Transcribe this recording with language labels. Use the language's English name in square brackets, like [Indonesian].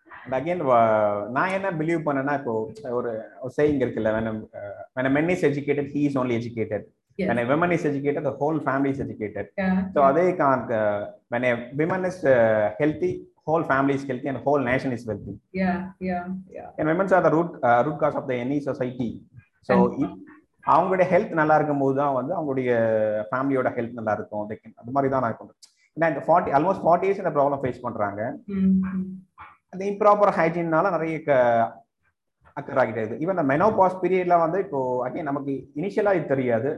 [English] And again, [Tamil] நான் என்ன believe பண்ணேன்னா இப்போ ஒரு சேயிங் இருக்குல்ல, [English] when a man is educated, he is only educated. Yes. When a woman is educated, the whole family is educated. Yeah. So, [Tamil] அதே காரணத்துக்கு, [English] when a woman is healthy, whole family is healthy and whole nation is wealthy. Yeah, yeah, yeah. And women are the root cause of the any society. [Tamil] So, அவங்களுடைய health நல்லா இருக்கும் போது தான் வந்து அவங்களுடைய ஃபேமிலியோட ஹெல்த் நல்லா இருக்கும். அது மாதிரி தான் நான் ஏன்னா இந்த 40 இயர்ஸ் இந்த ப்ராப்ளம் ஃபேஸ் பண்ணுறாங்க. அந்த இம்ப்ராப்பர் ஹைஜீன்னால நிறைய அக்கர் ஆகிட்டு இருக்குது. இவன் மெனோபாஸ் பீரியட்ல வந்து இப்போ அகைன் நமக்கு இனிஷியலாக இது தெரியாது.